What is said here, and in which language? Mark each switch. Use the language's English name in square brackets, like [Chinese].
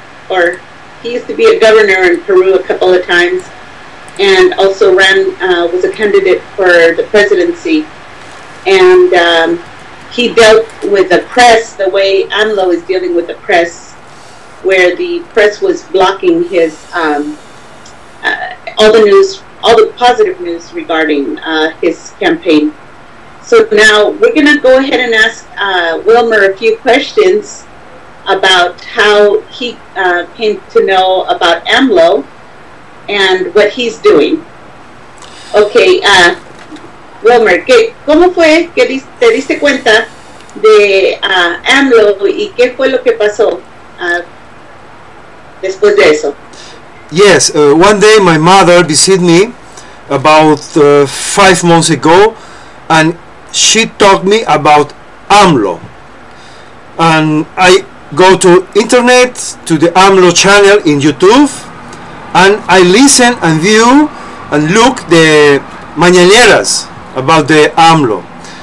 [English] or he used to be a governor in Peru a couple of times and also ran was a candidate for the presidency, and he dealt with the press the way AMLO is dealing with the press, where the press was blocking his all the news, all the positive news regarding his campaign. So now we're going to go ahead and ask Wilmer a few questions about how he came to know about AMLO and what he's doing. [Spanish] Okay, Wilmer, ¿cómo fue que te diste cuenta de AMLO y qué fue lo que pasó después de eso? [English] Yes, one day my mother visited me about 5 months ago, and she talked me about AMLO, and I go to internet to the AMLO channel in YouTube, and I listen and view and look the mañaneras about the AMLO.